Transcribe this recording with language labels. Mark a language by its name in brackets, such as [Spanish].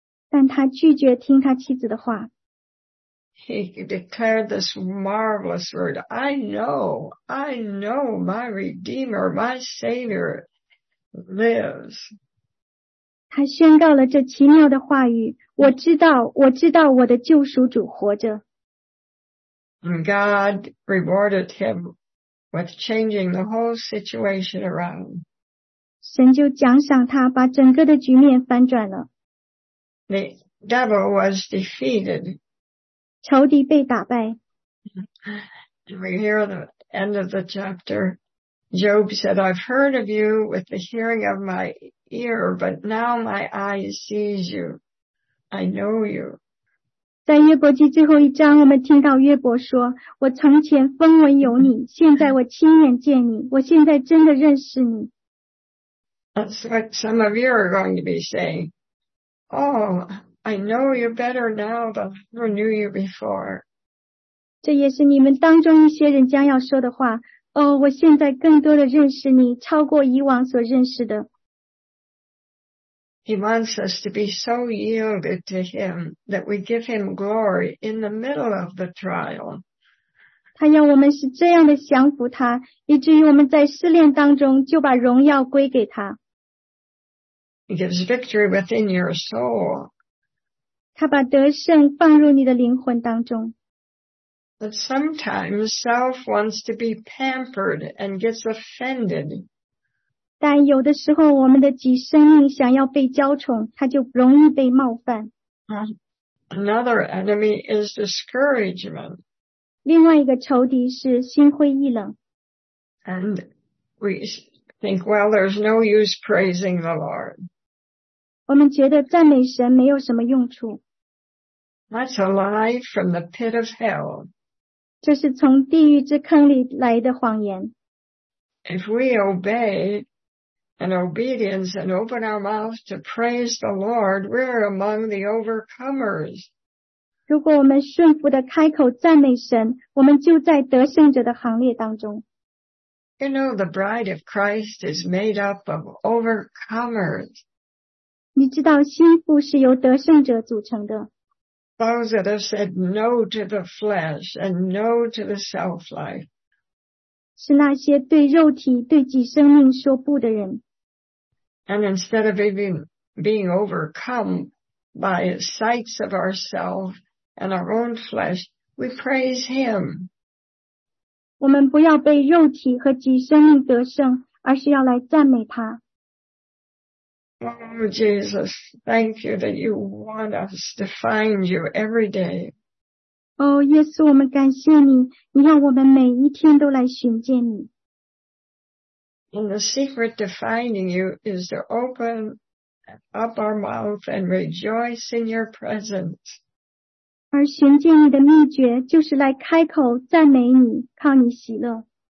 [Chinese] 但他拒绝听他妻子的话。 [English] He declared this marvelous word, I know my Redeemer, my Savior lives. [Chinese] 他宣告了这奇妙的话语，我知道，我知道我的救赎主活着。 [English] And God rewarded him with changing the whole situation around. [Chinese] 神就奖赏他，把整个的局面翻转了。 [English] The devil was defeated. [Chinese] 仇敌被打败。 [English] We hear the end of the chapter. Job said, I've heard of you with the hearing of my ear, but now my eye sees you. I know you. [Chinese] 在约伯记最后一章，我们听到约伯说，我从前风闻有你，现在我亲眼见你，我现在真的认识你。 [English] That's what some of you are going to be saying. Oh,I know you better now than I ever knew you before. [Chinese] 这也是你们当中一些人将要说的话。哦，我现在更多的认识你，超过以往所认识的。 [English] He wants us to be so yielded to him that we give him glory in the middle of the trial. [Chinese] 他要我们是这样的降服他，以至于我们在试炼当中就把荣耀归给他。 [English] He gives victory within your soul. [Chinese] 他把得胜放入你的灵魂当中。 [English] But sometimes self wants to be pampered and gets offended. [Chinese] 但有的时候我们的己生命想要被娇宠，他就容易被冒犯。 [English] Another enemy is discouragement. [Chinese] 另外一个仇敌是心灰意冷。 [English] And we think, well, there's no use praising the Lord. [Chinese] 我们觉得赞美神没有什么用处。 [English] That's a lie from the pit of hell. [Chinese] 这是从地狱之坑里来的谎言。 [English] If we obey and obedience and open our mouth to praise the Lord, we're among the overcomers. [Chinese] 如果我们顺服地开口赞美神，我们就在得胜者的行列当中。 [English] You know, the bride of Christ is made up of overcomers. [Chinese] 你知道心腹是由得胜者组成的。 [English] those that have said no to the flesh and no to the self-life. [Chinese] 是那些对肉体、对己生命说不的人。 [English] And instead of even being overcome by sights of ourselves and our own flesh, we praise Him. [Chinese] 我们不要被肉体和己生命得胜，而是要来赞美他。 [English] Oh Jesus, thank you that you want us to find you every day. [Chinese] Oh, 耶稣，我们感谢你，你让我们每一天都来寻见你。 [English] And the secret to finding you is to open up our mouth and rejoice in your presence. [Chinese] 而寻见你的秘诀就是来开口赞美你，靠你喜乐。